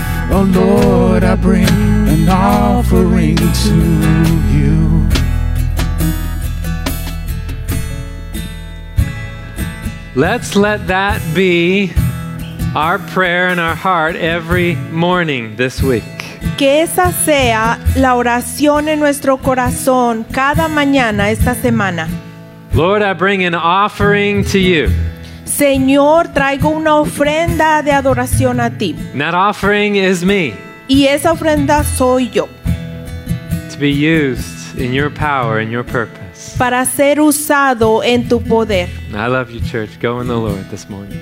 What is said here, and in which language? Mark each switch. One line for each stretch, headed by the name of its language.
English: Oh Lord, I bring an offering to you. Let's let that be our prayer in our heart every morning this week.
Spanish: Que esa sea la oración en nuestro corazón cada mañana esta semana.
English: Lord, I bring an offering to you.
Spanish: Señor, traigo una ofrenda de adoración a ti.
English: That offering is me.
Spanish: Y esa ofrenda soy yo.
English: To be used in your power and your purpose.
Spanish: Para ser usado en tu poder.
English: I love you, church. Go in the Lord this morning.